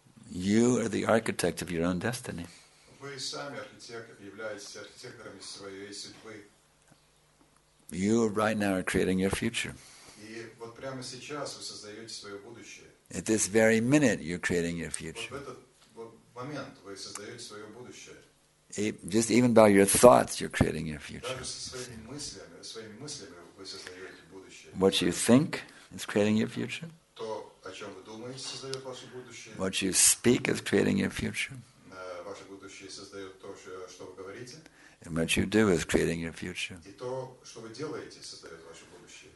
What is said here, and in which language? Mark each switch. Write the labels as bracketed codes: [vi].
[en] You are the architect of your own destiny. [ru] Вы сами архитекторами своей судьбы. [en] You right now are creating your future. [ru] И вот прямо сейчас вы создаете свое будущее. [en] At this very minute you're creating your future. [ru] Вот в этот момент вы создаете свое будущее. [en] Just even by your thoughts you're creating your future. [ru] Даже своими мыслями вы создаете будущее. [en] What you think is creating your future. [ru] То, о чем вы думаете, создает ваше будущее. [en] What you speak is creating your future. [ru] Ваше будущее создает то, что вы говорите. [en] And what you do is creating your future. [ru] И то, что вы делаете, создает ваше будущее.